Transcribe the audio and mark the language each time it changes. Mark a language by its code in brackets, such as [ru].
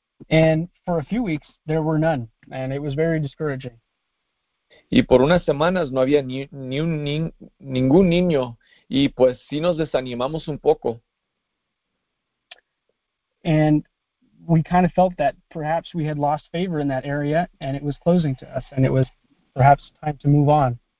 [en] And for a few weeks, there were none, and it was very discouraging. [es] Y por unas semanas no había ningún niño, y pues sí nos desanimamos un poco. [en] And we kind of felt that perhaps we had lost favor in that area, and it was closing to us, and it was perhaps time to move on.